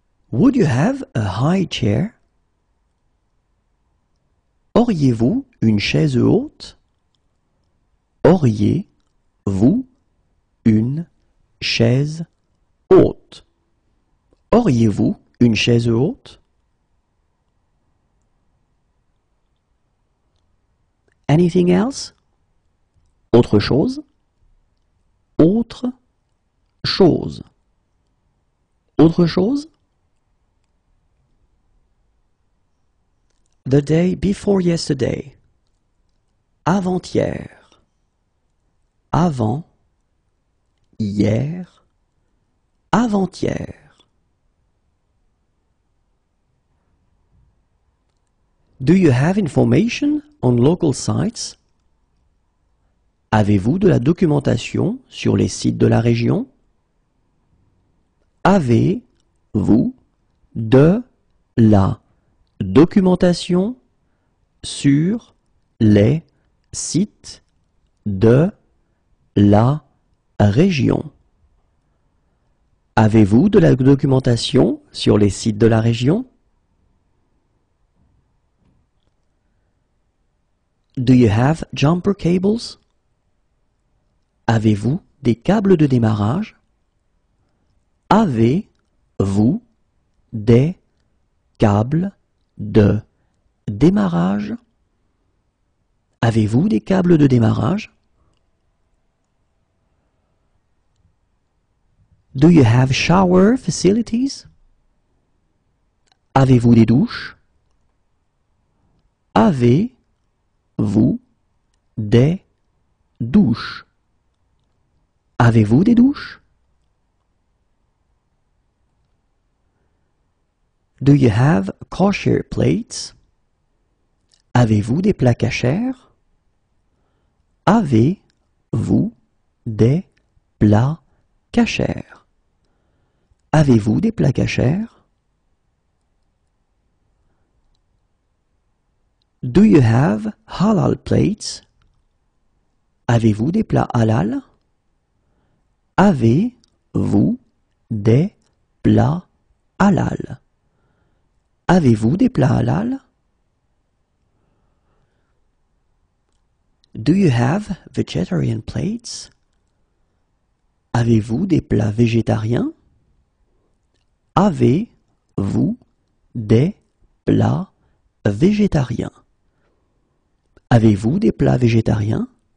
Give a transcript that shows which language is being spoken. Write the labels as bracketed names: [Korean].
[English] Would you have a high chair? [French] Auriez-vous une chaise haute? Auriez-vous une chaise haute? Auriez-vous une chaise haute? [English] Anything else? [French] Autre chose? Autre chose. Autre chose? [English] The day before yesterday. [French] Avant-hier. Avant-hier. Avant-hier. [English] Do you have information on local sites? [French] Avez-vous de la documentation sur les sites de la région? Avez-vous de la documentation sur les sites de la région? Avez-vous de la documentation sur les sites de la région? [English] Do you have jumper cables? [French] Avez-vous des câbles de démarrage? Avez-vous des câbles de démarrage? Avez-vous des câbles de démarrage? [English] Do you have shower facilities? [French] Avez-vous des douches? Avez-vous Vous, des, douches. Avez-vous des douches? [English] Do you have kosher plates? [French] Avez-vous des plats kasher? Avez-vous des plats kasher? Avez-vous des plats kasher? [English] Do you have halal plates? [French] Avez-vous des plats halal? Avez-vous des plats halal? Avez-vous des plats halal? [English] Do you have vegetarian plates? [French] Avez-vous des plats végétariens? Avez-vous des plats végétariens? Avez-vous des plats végétariens?